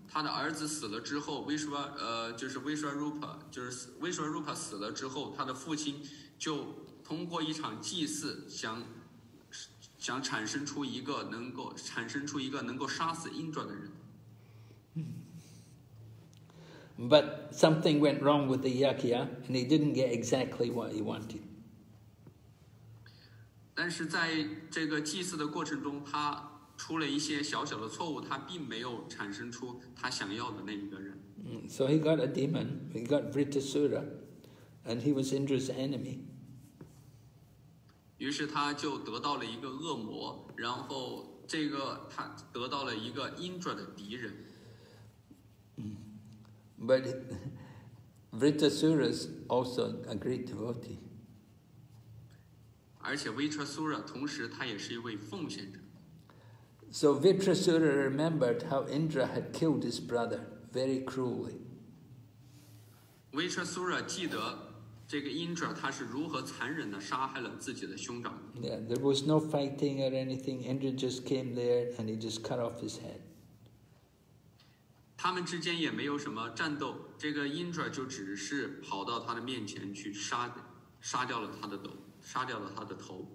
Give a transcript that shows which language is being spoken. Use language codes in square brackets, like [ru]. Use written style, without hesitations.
[zh] 他的儿子死了之后 ，Vishwarupa 死了之后，他的父亲就通过一场祭祀想产生出一个能够杀死 Indra 的人。 [en] But something went wrong with the yakya, and he didn't get exactly what he wanted. [zh] 但是在这个祭祀的过程中，他出了一些小小的错误，他并没有产生出他想要的那一个人。 [en] So he got a demon. He got Vritasura, And he was Indra's enemy. [zh] 于是他就得到了一个恶魔，然后这个他得到了一个 Indra 的敌人。 [en] But Vritasura's also a great devotee. [zh] 而且 Vritasura 同时他也是一位奉献者。 [en] So Vritasura remembered how Indra had killed his brother very cruelly. [zh] Vritasura 记得这个 Indra 他是如何残忍地杀害了自己的兄长。 [en] Yeah, there was no fighting or anything. Indra just came there and he just cut off his head. [zh] 他们之间也没有什么战斗，这个 Indra 就只是跑到他的面前去杀掉了他的头。